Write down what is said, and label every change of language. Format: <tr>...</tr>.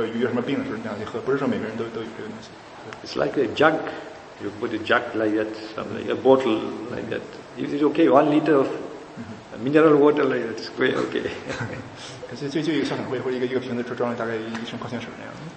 <zh>他说一般来讲，他那个戒坛里边，当时他只有一升水放在那儿，然后大家有紧急情况，大家有渴或者有什么病的时候，这样去喝，不是说每个人都有这个东西。</zh> <en>It's like a jug, you put a jug like that, something like a bottle like that. If it's okay, 1 liter of mineral water like that, it's great, okay.</en> <zh>可是就一个小桶或者一个瓶子，装了大概一升矿泉水那样。</zh>